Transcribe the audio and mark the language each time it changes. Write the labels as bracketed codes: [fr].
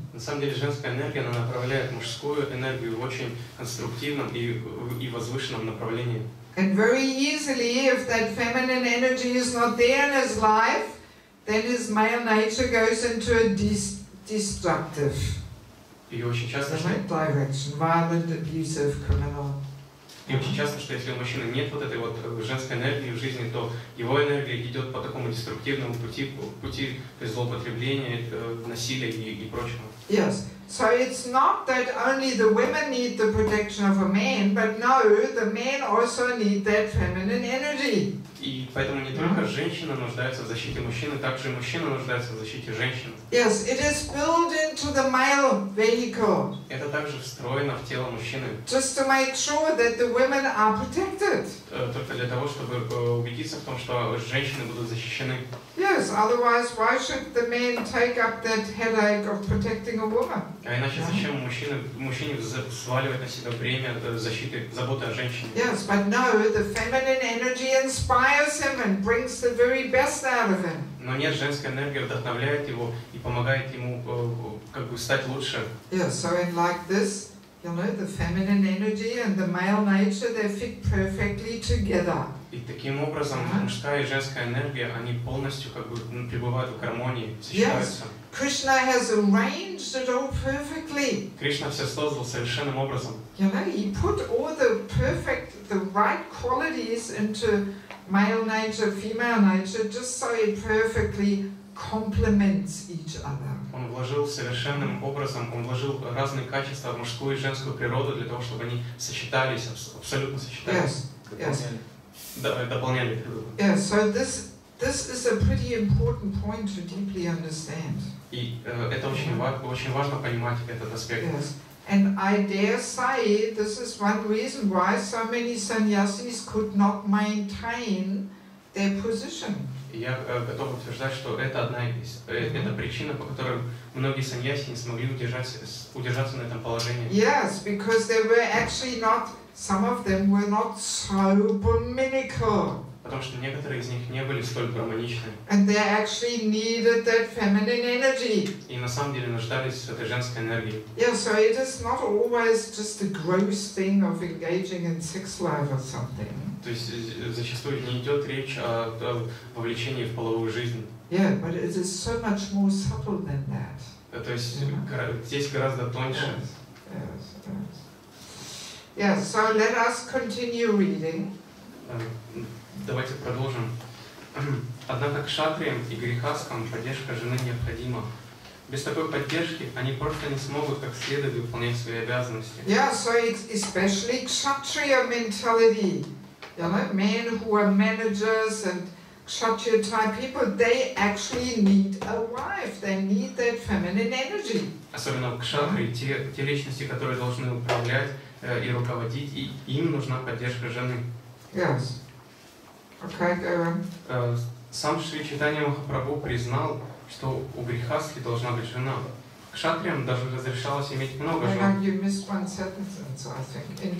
[ru] На самом деле женская энергия, она направляет мужскую энергию в очень конструктивном и возвышенном направлении. [en] And very easily, if that feminine energy is not there in his life, then his male nature goes into a destructive. [ru] И очень часто, [en] direction, violent, abusive, criminal. [ru] И очень часто, что если у мужчины нет вот этой вот женской энергии в жизни, то его энергия идет по такому деструктивному пути, пути злоупотребления, насилия и прочего. [en] Yes. So it's not that only the women need the protection of a man, but no, the men also need that feminine energy. [ru] И поэтому не только женщина нуждается в защите мужчины, также и мужчина нуждается в защите женщины. [en] Yes, it is built into the male vehicle. [ru] Это также встроено в тело мужчины. [en] Just to make sure that the women are protected. [ru] Только для того, чтобы убедиться в том, что женщины будут защищены. [en] Yes, otherwise why should the men take up that headache of protecting a woman? [ru] А иначе зачем мужчине сваливать на себя бремя защиты, заботы о женщине? [en] Yes, but no, the feminine energy inspires him and brings the very best out of him. [ru] Но нет, женская энергия вдохновляет его и помогает ему как бы стать лучше. [en] Yes, so in like this, you know, the feminine energy and the male nature, they fit perfectly together. [ru] И таким образом мужская и женская энергия, они полностью как бы пребывают в гармонии, сочетаются. [en] Yes, Krishna has arranged it all perfectly. [ru] Кришна все создал совершенным образом. [en] You know, he put all the perfect, the right qualities into male nature, female nature, just so it perfectly complements each other. [ru] Он вложил совершенным образом, он вложил разные качества в мужскую и женскую природу для того, чтобы они сочетались, абсолютно сочетались. [en] Yes. [ru] Дополняли. [en] Yeah, so this is a pretty important point to deeply understand. [ru] И это очень важно понимать этот аспект. [en] Yes. And I dare say this is one reason why so many sannyasis could not maintain their position. [ru] Я готов утверждать, что это одна из причина, по которой многие саньяси не смогли удержаться на этом положении. [en] Yes, because they were actually not. Some of them were not so brahminical. [ru] Потому что некоторые из них не были столь брахманичны. [en] And they actually needed that feminine energy. [ru] И на самом деле нуждались в этой женской энергии. [en] Yeah, so it is not always just a gross thing of engaging in sex life or something. [ru] То есть зачастую не идет речь о вовлечении в половую жизнь. [en] Yeah, but it is so much more subtle than that. [ru] То есть здесь гораздо тоньше. [en] Yes. Yes, so let us continue reading. [ru] Давайте продолжим. Однако кшатриям и грихасхам поддержка жены необходима. Без такой поддержки они просто не смогут как следует выполнять свои обязанности. [en] Yeah, so it's especially kshatriya mentality. You know, men who are managers and kshatriya type people, they actually need a wife. They need that feminine energy. [ru] Особенно кшатри, те личности, которые должны управлять и руководить, и им нужна поддержка жены. [en] Yes. Okay, go on. [ru] Сам Шри Чайтанья Махапрабху признал, что у грихасхи должна быть жена. Кшатриям даже разрешалось иметь много жен. [en] Hang on, you missed one sentence, I think.